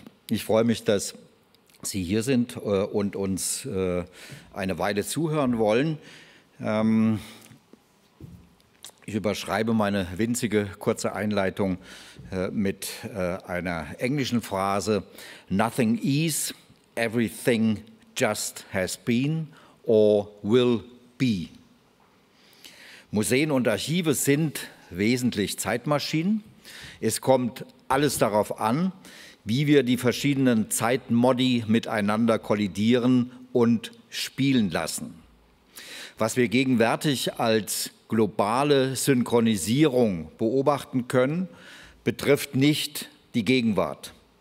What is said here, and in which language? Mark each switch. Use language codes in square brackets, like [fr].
[de] Ich freue mich, dass Sie hier sind und uns eine Weile zuhören wollen. Ich überschreibe meine winzige kurze Einleitung mit einer englischen Phrase. [en] Nothing is, everything just has been or will be. [de] Museen und Archive sind wesentlich Zeitmaschinen. Es kommt alles darauf an, wie wir die verschiedenen Zeitmodi miteinander kollidieren und spielen lassen. Was wir gegenwärtig als globale Synchronisierung beobachten können, betrifft nicht die Gegenwart.